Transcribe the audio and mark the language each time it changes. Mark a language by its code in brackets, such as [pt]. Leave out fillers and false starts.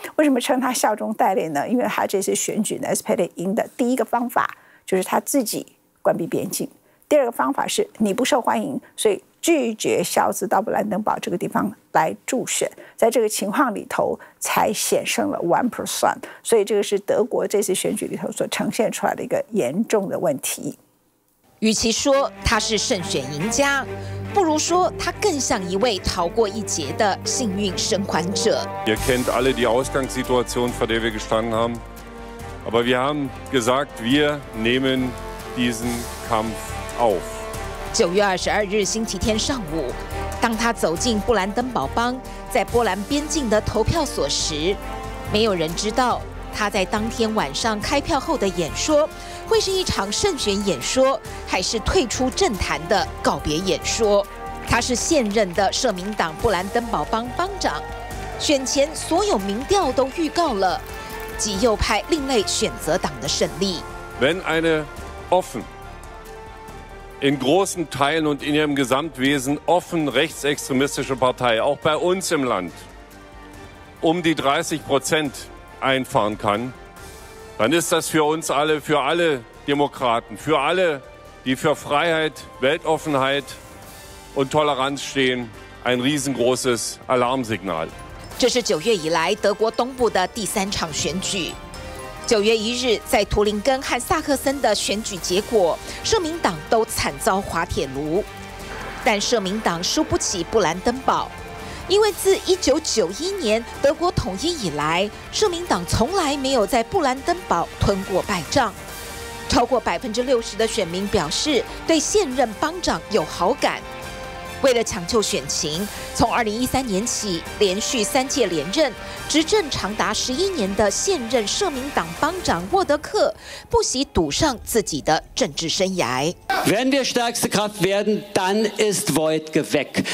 [zh] 为什么称他效忠带领呢？因为他这次选举呢 SPD 赢的第一个方法就是他自己关闭边境，第二个方法是你不受欢迎，所以拒绝肖兹到布兰登堡这个地方来助选，在这个情况里头才险胜了 1%。所以这个是德国这次选举里头所呈现出来的一个严重的问题。与其说他是胜选赢家，不如说他更像一位逃过一劫的幸运生还者。 [de] Ihr kennt alle die Ausgangssituation, vor der wir gestanden haben. Aber wir haben gesagt, wir nehmen diesen Kampf auf. [zh] 9月22日星期天上午，当他走进布兰登堡邦在波兰边境的投票所时，没有人知道他在当天晚上开票后的演说会是一场胜选演说，还是退出政坛的告别演说。他是现任的社民党布兰登堡邦邦长，选前所有民调都预告了极右派另类选择党的胜利。 [de] Wenn eine offenin großen Teilen und in ihrem Gesamtwesen offen rechtsextremistische Partei auch bei uns im Land die 30% einfahren kann, dann ist das für uns alle, für alle Demokraten, für alle, die für Freiheit, Weltoffenheit und Toleranz stehen, ein riesengroßes Alarmsignal. [zh] 这是9月以来德国东部的第三场选举。 9月1日，在图林根和萨克森的选举结果，社民党都惨遭滑铁卢，但社民党输不起布兰登堡，因为自1991年德国统一以来，社民党从来没有在布兰登堡吞过败仗。超过60%的选民表示对现任邦长有好感。为了抢救选情，从2013年起连续三届连任，执政长达11年的现任社民党邦长沃德克不惜赌上自己的政治生涯。 [de] Wenn wir stärkste Kraft werden, dann ist Wojtke weg.